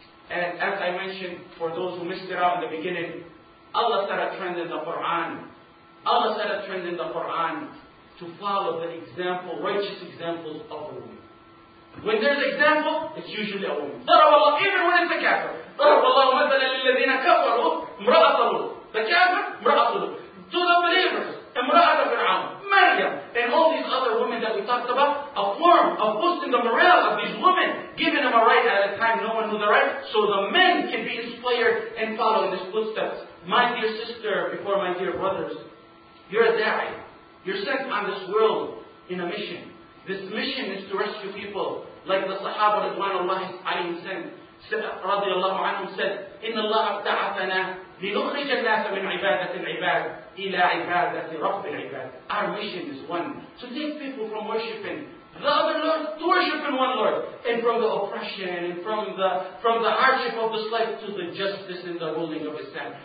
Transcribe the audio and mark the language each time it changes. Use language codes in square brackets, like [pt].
[en] And as I mentioned, for those who missed it out in the beginning, Allah set a trend in the Quran. Allah set a trend in the Quran to follow the example, righteous examples of a woman. When there's an example, it's usually a woman. Darawallah, even when it's a kafir. [ar] ضرب الله مثلا للذين كفروا امرأة لوط. [en] The kafir, [ar] امرأة لوط. [en] To the believers, [ar] امرأة فرعون. [en] Maryam. And all these other women that we talked about, a form of boosting the morale of these women, giving them a right at a time no one knew the right, so the men can be inspired and follow in these footsteps. My dear sister, before my dear brothers, you're a da'i. You're sent on this world in a mission. This mission is to rescue people like the Sahaba Ridwanullah alayhim sent. [ar] رضي الله عنهم [en] said, [ar] إن الله ابتعثنا لنخرج الناس من عبادة العباد إلى عبادة رب العباد. [en] Our mission is one, to take people from worshiping the other Lord to worshiping one Lord, and from the oppression and from the hardship of this life to the justice and the ruling of Islam.